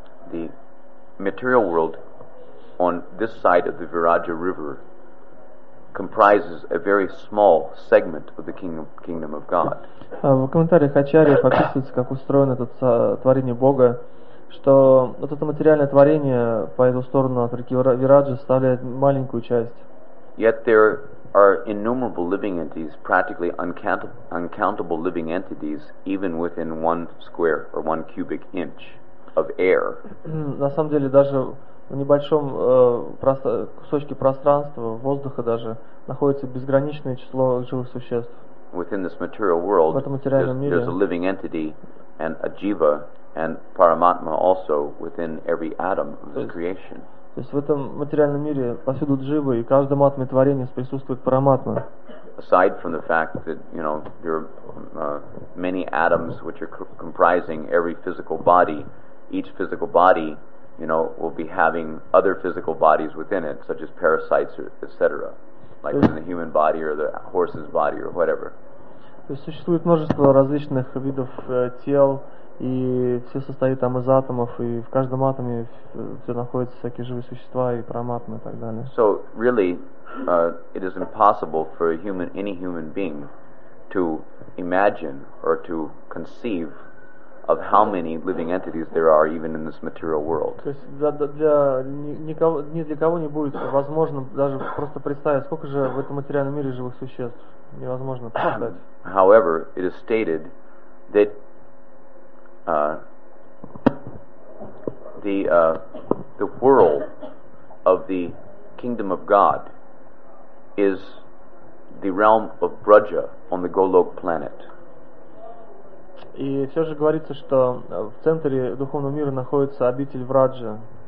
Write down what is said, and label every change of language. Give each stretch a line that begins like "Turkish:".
English: The material world on this side of the Viraja River comprises a very small segment of the kingdom of God.
Russian: В комментариях Ачарьи описывается, как устроено это творение Бога, что вот это материальное творение по эту сторону от реки Вираджа составляет маленькую часть.
English: Yet there are innumerable living entities, practically uncountable living entities, even within one square or one cubic inch of air.
Russian: На самом деле даже в небольшом кусочке пространства воздуха даже находится безграничное число живых существ.
English: Within this material world, there's a living entity and a jiva and paramatma also within every atom of this creation.
Russian: То есть в этом материальном мире повсюду дживы, и каждому атоме творения присутствует параматма.
English: Aside from the fact that, you know, there are many atoms which are comprising every physical body. Each physical body, you know, will be having other physical bodies within it, such as parasites, etc., like in the human body or the horse's body or whatever.
Russian: То есть существует множество различных видов тел, и все состоит там из атомов, и в каждом атоме все находятся всякие живые существа и параматмы и так далее.
English: So really, it is impossible for any human being to imagine or to conceive of how many living entities there are even in this material world.
Russian: То есть для никого ни для кого не будет возможно даже просто представить, сколько же в этом материальном мире живых существ. Невозможно представить.
English: However, it is stated that the world of the kingdom of God is the realm of Braja on the Golok planet.
Russian: И все же говорится, что в центре духовного мира находится обитель Враджа.